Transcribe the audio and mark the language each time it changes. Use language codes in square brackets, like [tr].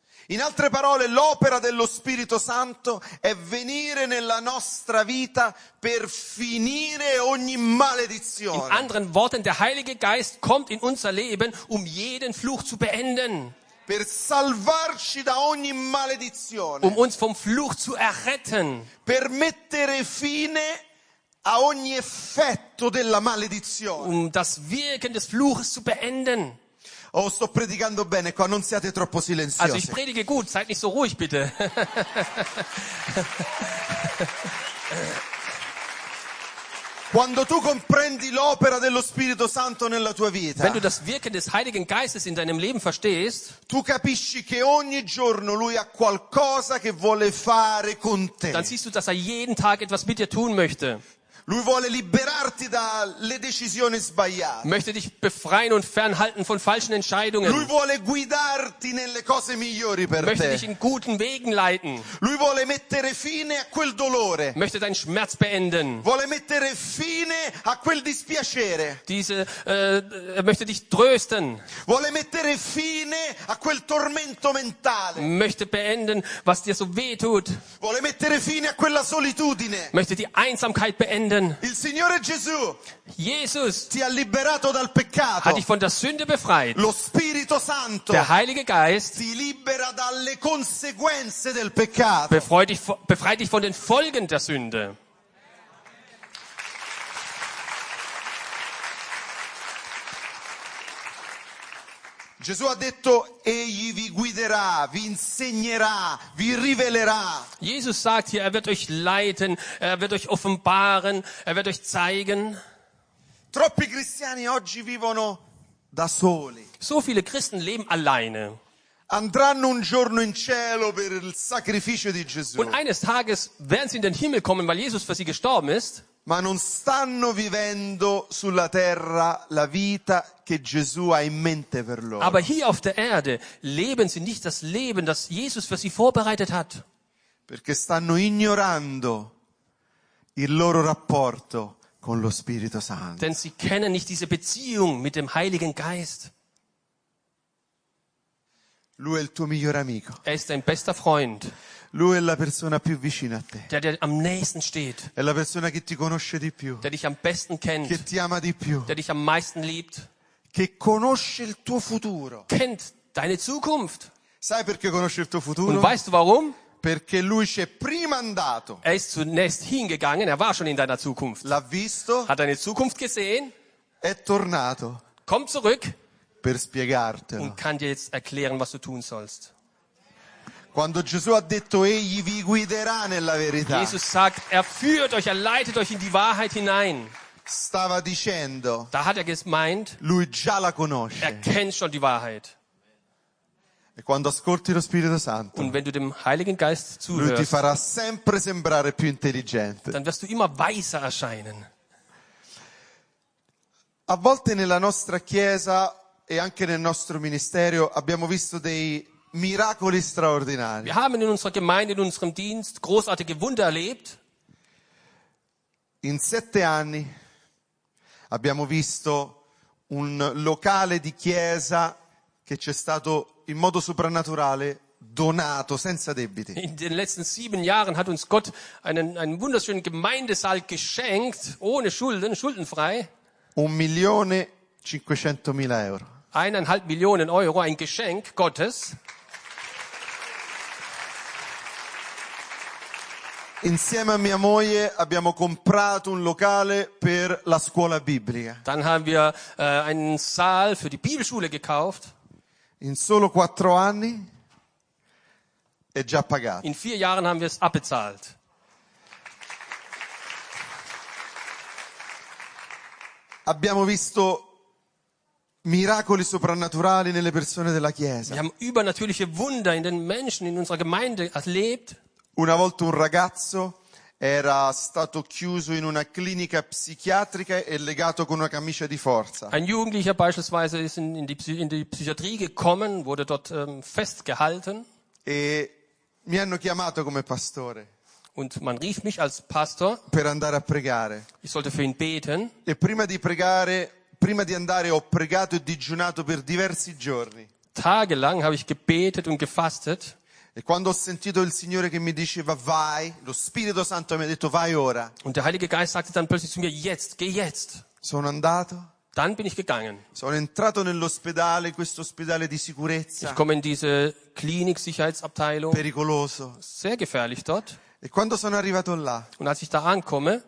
[it] In altre parole, l'opera dello Spirito Santo è venire nella nostra vita per finire ogni maledizione. [de] In anderen Worten, der Heilige Geist kommt in unser Leben, jeden Fluch zu beenden. [it] Per salvarci da ogni maledizione. [de] Uns vom Fluch zu erretten. [it] Per mettere fine a ogni effetto della maledizione. [de] Das Wirken des Fluches zu beenden. [it] Oh, sto predicando bene qua, non siate troppo silenziosi. [de] Also ich predige gut, seid nicht so ruhig bitte. [it] Quando tu comprendi l'opera dello Spirito Santo nella tua vita, [de] wenn du das Wirken des Heiligen Geistes in deinem Leben verstehst, [it] tu capisci che ogni giorno lui ha qualcosa che vuole fare con te. [de] Dann siehst du, dass jeden Tag etwas mit dir tun möchte. [it] Lui vuole liberarti dalle decisioni sbagliate. [de] Möchte dich befreien und fernhalten von falschen Entscheidungen. [it] Lui vuole guidarti nelle cose migliori per [de] möchte [it] te. [de] Dich in guten Wegen leiten. [it] Lui vuole mettere fine a quel dolore. [de] Möchte deinen Schmerz beenden. [it] Vuole mettere fine a quel dispiacere. [de] Möchte dich trösten. [it] Vuole mettere fine a quel tormento mentale. [de] Möchte beenden, was dir so weh tut. [it] Vuole mettere fine a quella solitudine. [de] Möchte die Einsamkeit beenden. [it] Il Signore Gesù, [de] Jesus, [it] ti ha liberato dal peccato, [de] hat dich von der Sünde befreit. [it] Lo Spirito Santo, [de] der Heilige Geist, [it] ti libera dalle conseguenze del peccato. [de] Befreit dich von den Folgen der Sünde. [it] Gesù ha detto, egli vi guiderà, vi insegnerà, vi rivelerà. [de] Jesus sagt hier, wird euch leiten, wird euch offenbaren, wird euch zeigen. [it] Troppi cristiani oggi vivono da soli. [de] So viele Christen leben alleine. [it] Andranno un giorno in cielo per il sacrificio di Gesù. [de] Und eines Tages werden sie in den Himmel kommen, weil Jesus für sie gestorben ist. [it] Ma non stanno vivendo sulla terra la vita che Gesù ha in mente per loro. [de] Aber hier auf der Erde leben sie nicht das Leben, das Jesus für sie vorbereitet hat. [it] Perché stanno ignorando il loro rapporto con lo Spirito Santo. [de] Denn sie kennen nicht diese Beziehung mit dem Heiligen Geist. [it] Lui è il tuo miglior amico. [de] Er ist dein bester Freund. [it] Lui è la persona più vicina a te. [de] Der am nächsten steht. [it] È la persona che ti conosce di più. [de] Der dich am besten kennt. [it] Che ti ama di più. [de] Der dich am meisten liebt. [it] Che conosce il tuo futuro. [de] Kennt deine Zukunft. [it] Sai perché conosce il tuo futuro? [de] Und weißt du warum? [it] Perché lui c'è prima andato. [de] Er ist zunächst hingegangen. Er war schon in deiner Zukunft. [it] L'ha visto. [de] Hat deine Zukunft gesehen. [it] È tornato. [de] Kommt zurück. [it] Per spiegartelo. [de] Und kann dir jetzt erklären, was du tun sollst. [it] Quando Gesù ha detto egli vi guiderà nella verità. [de] Jesus sagt, er führt euch, er leitet euch in die Wahrheit hinein. [it] stava dicendo. [de] Da hat er gemeint, [it] lui già la conosce. [de] Er kennt schon die Wahrheit. [it] E quando ascolti lo Spirito Santo, [de] und wenn du dem Heiligen Geist zuhörst, [it] lui ti farà sempre sembrare più intelligente. [de] Dann wirst du immer weiser erscheinen. [it] A volte nella nostra chiesa e anche nel nostro ministero abbiamo visto dei miracoli straordinari. [de] Wir haben in unserer Gemeinde, in unserem Dienst großartige Wunder erlebt. [it] In 7 anni abbiamo visto un locale di chiesa che ci è stato in modo soprannaturale donato senza debiti. [de] In den letzten 7 Jahren hat uns Gott einen wunderschönen Gemeindesaal geschenkt, ohne Schulden, schuldenfrei. [it] 1.500.000 euro. [de] 1,5 Millionen Euro, ein Geschenk Gottes. [it] Insieme a mia moglie abbiamo comprato un locale per la scuola biblica. [de] Dann haben wir einen Saal für die Bibelschule gekauft. [it] In solo 4 anni è già pagato. [de] In 4 Jahren haben wir es abbezahlt. [it] Abbiamo visto miracoli soprannaturali nelle persone della chiesa. [de] Wir haben übernatürliche Wunder in den Menschen in unserer Gemeinde erlebt. [it] Una volta un ragazzo era stato chiuso in una clinica psichiatrica e legato con una camicia di forza. [de] Ein Jugendlicher beispielsweise ist in die Psychiatrie gekommen, wurde dort festgehalten. [it] E mi hanno chiamato come pastore. [de] Und man rief mich als Pastor. [it] Per andare a pregare. [de] Ich sollte für ihn beten. [it] E prima di andare ho pregato e digiunato per diversi giorni. [de] Tagelang habe ich gebetet und gefastet. [it] E quando ho sentito il Signore che mi diceva vai, lo Spirito Santo mi ha detto vai ora. [de] Und der Heilige Geist sagte dann plötzlich zu mir jetzt, geh jetzt. [it] Sono andato. [de] Dann bin ich gegangen. [it] Sono entrato nell'ospedale, questo ospedale di sicurezza. [de] Ich komme in diese Klinik Sicherheitsabteilung. [it] Pericoloso. [de] Sehr gefährlich dort. [it] E quando sono arrivato là. [de] Und als ich da ankomme.